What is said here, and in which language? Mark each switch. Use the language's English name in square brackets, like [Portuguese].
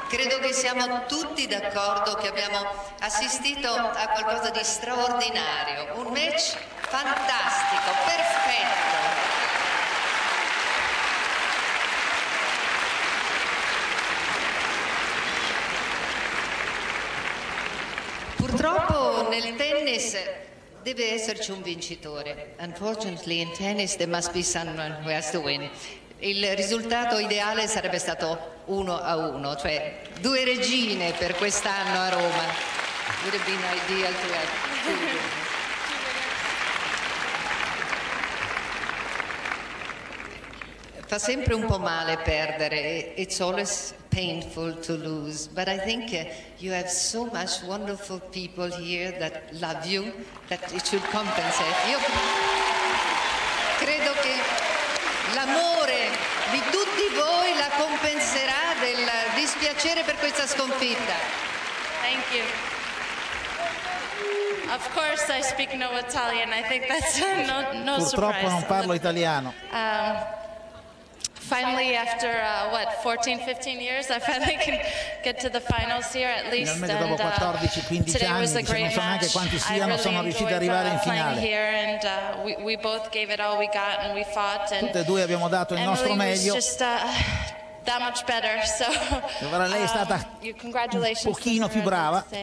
[Italian] Credo che siamo tutti d'accordo che abbiamo assistito a qualcosa di straordinario, un match fantastico, perfetto. Purtroppo nel tennis deve esserci un vincitore. [English] Unfortunately in tennis there must be someone who has to win. [Italian] Il risultato ideale sarebbe stato 1-1, cioè due regine per quest'anno a Roma. [English] Would have been ideal to have. [Italian] Fa sempre un po' male perdere. [English] It's always painful to lose, but I think you have so much wonderful people here that love you that it should compensate. [Italian] Io credo che l'amore di tutti voi la compenserà del dispiacere per questa sconfitta. [English] Thank you. Of course I speak no Italian. I think that's no surprise. [Italian] Purtroppo non parlo italiano. [English] Finally, after what, 14, 15 years, I finally can get to the finals here at least. [Italian] Finalmente dopo 14-15 anni, non so neanche quanti siano, sono riusciti ad arrivare in finale. [English] We both gave it all we got and we fought. [Italian] Tutte e due abbiamo dato il nostro meglio. [English] That much better. So. [Italian] Lei è stata un pochino più brava.